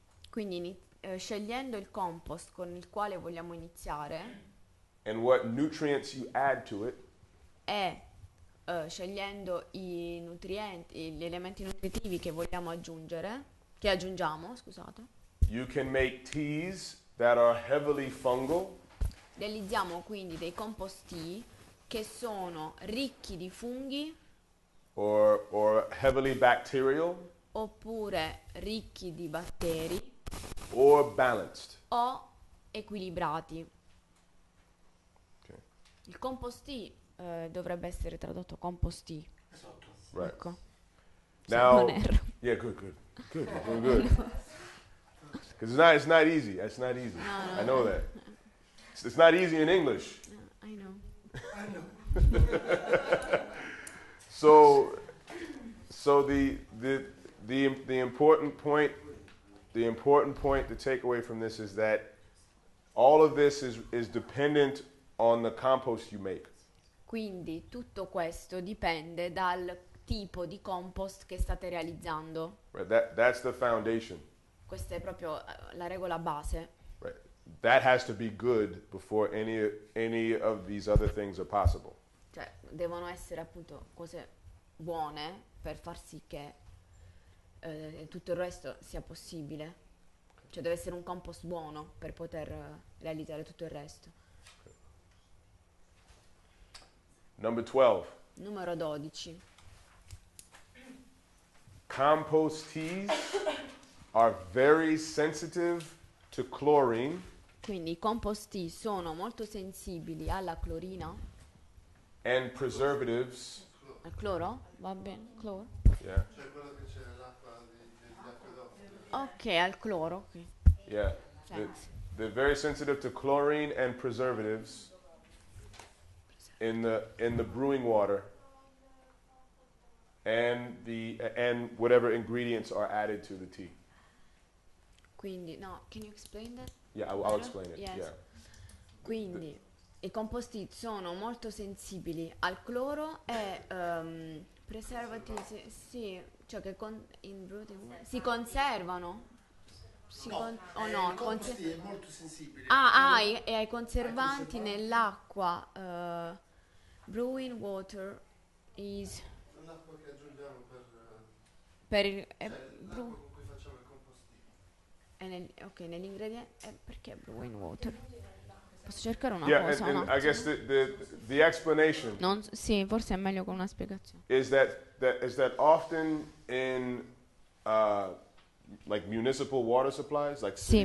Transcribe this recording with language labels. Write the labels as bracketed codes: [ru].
[it] Quindi scegliendo il compost con il quale vogliamo iniziare. [en] And what nutrients you add to it. [it] E scegliendo I nutrienti, gli elementi nutritivi che vogliamo aggiungere, che aggiungiamo, scusate. [en] You can make teas that are heavily fungal. [it] Realizziamo quindi dei composti che sono ricchi di funghi [en] or heavily bacterial [it] oppure ricchi di batteri [en] or balanced [it] o equilibrati. [en] Okay. [it] Il composti dovrebbe essere tradotto composti. [en] Right. [it] Ecco. [en] Now Yeah, good. Because it's not easy. It's not easy. No. I know that. It's not easy in English. I know. So the important point to take away from this is that all of this is dependent on the compost you make. [it] Quindi tutto questo dipende dal tipo di compost che state realizzando. [en] Right, that's the foundation. [it] Questa è proprio la regola base. [en] Right. That has to be good before any of these other things are possible. [it] Cioè, devono essere appunto cose buone per far sì che tutto il resto sia possibile. Cioè, deve essere un compost buono per poter realizzare tutto il resto. [en] Number 12. [it] Numero 12. [en] Compost teas are very sensitive to chlorine. [it] Quindi i compost tea sono molto sensibili alla clorina. [en] And preservatives. [it] Al cloro? Va bene, cloro. [en] Yeah. [it] Cioè quello che c'è nell'acqua. Ok, al cloro. [en] Yeah. They're very sensitive to chlorine and preservatives. In the brewing water and whatever ingredients are added to the tea. Quindi, no, can you explain that? Yeah, I'll explain it. Yes. Yeah. [it] Quindi, i composti sono molto sensibili al cloro e preservatives, sì, cioè che in brewing si conservano. Il composti è molto sensibile. Ai conservanti nell'acqua. [en] Brewing water is [it] l'acqua che aggiungiamo per l'acqua con cui facciamo il compostino. Nell'ingrediente perché brewing water? Posso cercare una cosa? [en] I guess the explanation. [it] Non sì, forse è meglio con una spiegazione. [en] Is that often in like municipal water supplies, like city?